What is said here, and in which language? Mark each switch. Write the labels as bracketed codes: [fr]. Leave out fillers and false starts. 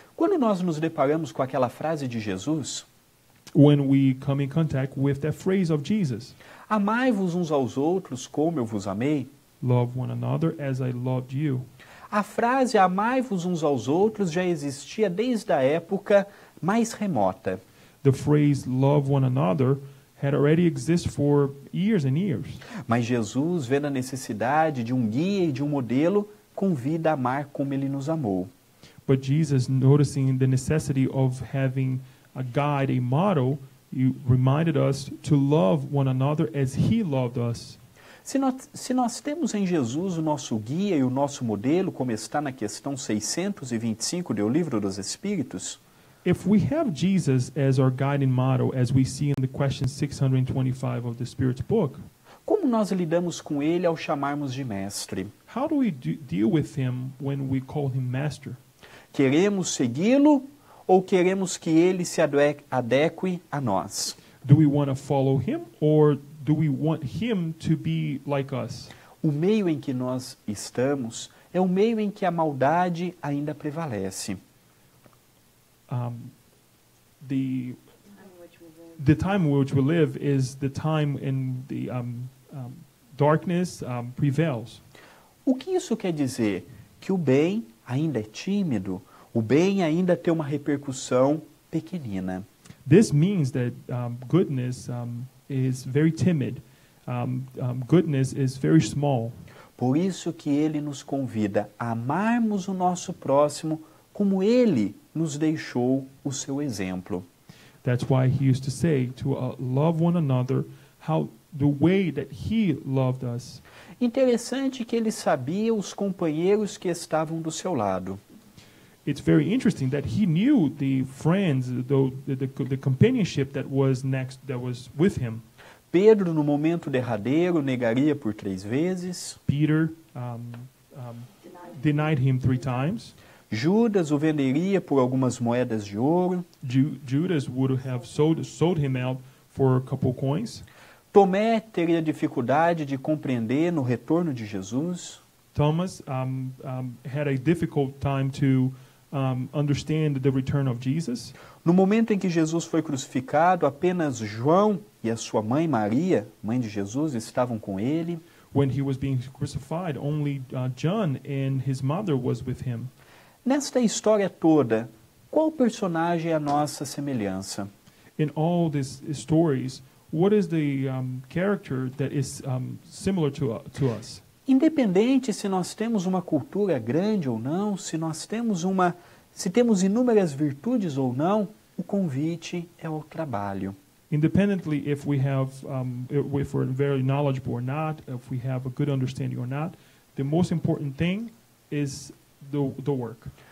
[pt] Quando nós nos deparamos com aquela frase de Jesus, [en] when we come in contact with that phrase of Jesus, [pt] amai-vos uns aos outros como eu vos amei, [en] love one another as I loved you. [pt] A frase amai-vos uns aos outros já existia desde a época mais remota. [en] The phrase love one another had already existed for years and years. [pt] Mas Jesus, vendo a necessidade de um guia e de um modelo, convida a amar como ele nos amou. [en] But Jesus, noticing the necessity of having a guide, a model, he reminded us to love one another as he loved us. [pt] Se nós temos em Jesus o nosso guia e o nosso modelo, como está na questão 625 do Livro dos Espíritos, [en] if we have Jesus as our guiding model, as we see in the question 625 of the Spirit's book, [pt] como nós lidamos com ele ao chamarmos de mestre? [en] How do we deal with him when we call him master? [pt] Queremos segui-lo ou queremos que ele se adeque a nós? [en] Do we want to follow him or do we want him to be like us? [pt] O meio em que nós estamos é o meio em que a maldade ainda prevalece. [en] The time in which we live is the time in the darkness prevails. [pt] O que isso quer dizer? Que o bem ainda é tímido, o bem ainda tem uma repercussão pequenina. [en] This means that goodness is very timid. Goodness is very small. [pt] Por isso que ele nos convida a amarmos o nosso próximo como ele nos deixou o seu exemplo. [en] That's why he used to say to love one another how the way that he loved us. [pt] Interessante que ele sabia os companheiros que estavam do seu lado. [en] It's very interesting that he knew the friends, the companionship that was next, that was with him. [pt] Pedro, no momento derradeiro, negaria por 3 vezes. [en] Peter denied him 3 times. [pt] Judas o venderia por algumas moedas de ouro. [en] Judas would have sold him out for a couple coins. [pt] Tomé teria dificuldade de compreender no retorno de Jesus. [en] Thomas had a difficult time to understand the return of Jesus. [pt] No momento em que Jesus foi crucificado, apenas João e a sua mãe Maria, mãe de Jesus, estavam com ele. [en] when he was being crucified, only John and his mother was with him. [pt] Nesta história toda, qual personagem é a nossa semelhança? [en] In all these stories, what is the character that is similar to us? [pt] Independente se nós temos uma cultura grande ou não, se nós temos uma, se temos inúmeras virtudes ou não, o convite é ao trabalho. [en] Independently if we have if we're very knowledgeable or not, if we have a good understanding or not, the most important thing is the work.